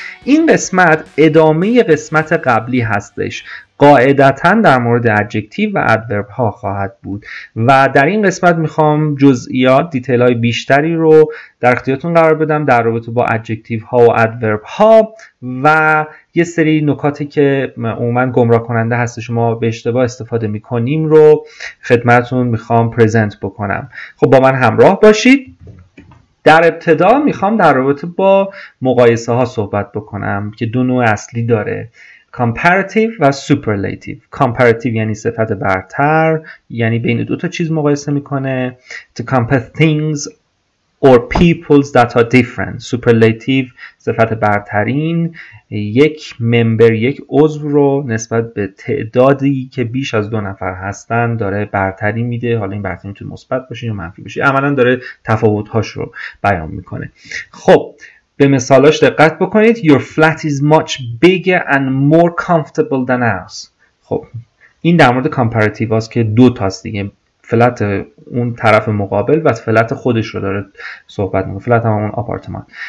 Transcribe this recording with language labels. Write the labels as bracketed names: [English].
[Persian] این قسمت ادامه قسمت قبلی هستش، قاعدتاً در مورد ادجکتیو و ادورب ها خواهد بود و در این قسمت میخوام جزئیات دیتیل های بیشتری رو در اختیارتون قرار بدم در رابطه با ادجکتیو ها و ادورب ها و یه سری نکاتی که عموماً گمراه کننده هست شما به اشتباه استفاده میکنیم رو خدمتون میخوام پرزنت بکنم. خب با من همراه باشید. در ابتدا میخوام در رابطه با مقایسه ها صحبت بکنم که دو نوع اصلی داره، comparative و superlative. comparative یعنی صفت برتر، یعنی بین دو تا چیز مقایسه میکنه. [English] to compare things or people that are different. [Persian] superlative صفت برترین، یک ممبر یک عضو رو نسبت به تعدادی که بیش از دو نفر هستن داره برتری میده، حالا این برتری میتونه مثبت باشه یا منفی باشه، عملا داره تفاوت هاش رو بیان میکنه. خب به مثالاش دقت بکنید. [English] Your flat is much bigger and more comfortable than ours. [Persian] خب این در مورد کامپاراتیو هاست که دو تاست دیگه، فلت اون طرف مقابل و فلت خودش رو داره صحبت میکنه، فلت هم اون آپارتمان.